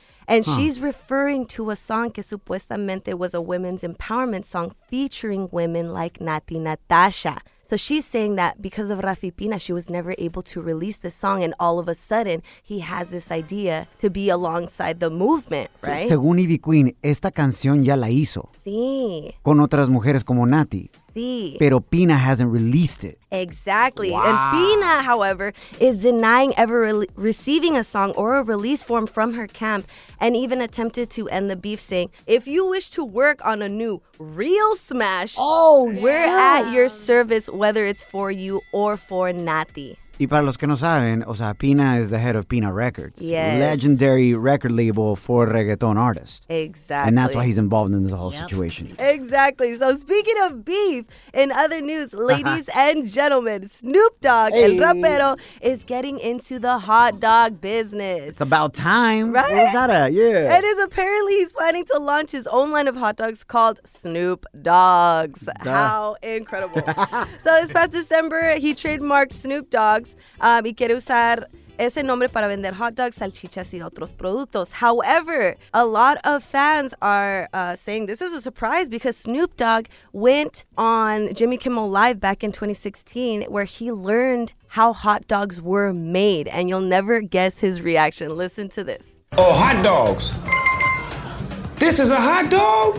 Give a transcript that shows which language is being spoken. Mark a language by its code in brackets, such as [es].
[en] And she's referring to a song [es] que supuestamente [en] was a women's empowerment song featuring women like Nati Natasha. So she's saying that because of Rafi Pina, she was never able to release this song. And all of a sudden, he has this idea to be alongside the movement, right? [es] Según Ivy Queen, esta canción ya la hizo. Sí. Con otras mujeres como Nati. Sí. [en] Pero Pina hasn't released it. Exactly. Wow. And Pina, however, is denying ever receiving a song or a release form from her camp and even attempted to end the beef saying, "If you wish to work on a new real smash, oh, we're yeah. at your service, whether it's for you or for Nati." [es] Y para los que no saben, o sea, Pina [en] is the head of [es] Pina Records. [en] Yes. Legendary record label for reggaeton artists. Exactly. And that's why he's involved in this whole situation. Exactly. So speaking of beef, in other news, ladies and gentlemen, Snoop Dogg, [es] El Rapero, [en] is getting into the hot dog business. It's about time. Right? Where's that at? Yeah. And is apparently he's planning to launch his own line of hot dogs called Snoop Dogs. Duh. How incredible. So this past December, he trademarked Snoop Dogg. [es] Y quiere usar ese nombre para vender hot dogs, salchichas y otros productos. [en] However, a lot of fans are saying this is a surprise because Snoop Dogg went on Jimmy Kimmel Live back in 2016 where he learned how hot dogs were made. And you'll never guess his reaction. Listen to this. Oh, hot dogs. This is a hot dog?